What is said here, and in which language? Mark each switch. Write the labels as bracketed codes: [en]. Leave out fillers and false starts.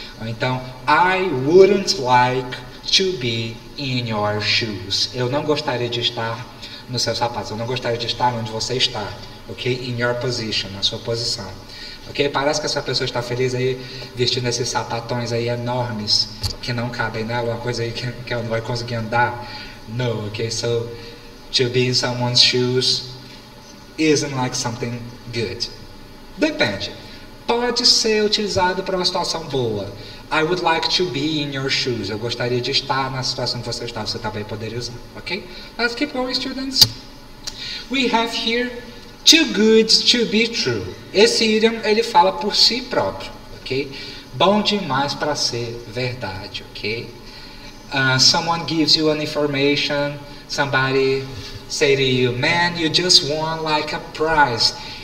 [pt] Ou então, [en] I wouldn't like to be in your shoes. [pt] Eu não gostaria de estar nos seus sapatos, eu não gostaria de estar onde você está, ok? [en] In your position, [pt] na sua posição. Okay? Parece que essa pessoa está feliz aí, vestindo esses sapatões aí enormes que não cabem nela, uma coisa aí que ela não vai conseguir andar. [en] No, ok? So, to be in someone's shoes isn't like something good. [pt] Depende. Pode ser utilizado para uma situação boa. [en] I would like to be in your shoes. [pt] Eu gostaria de estar na situação que você está. Você também poderia usar, ok? [en] Let's keep going, students. We have here too good to be true. [pt] Esse idiom, ele fala por si próprio, ok? Bom demais para ser verdade, ok? [en] Someone gives you an information, somebody say to you, man, you just won like a prize.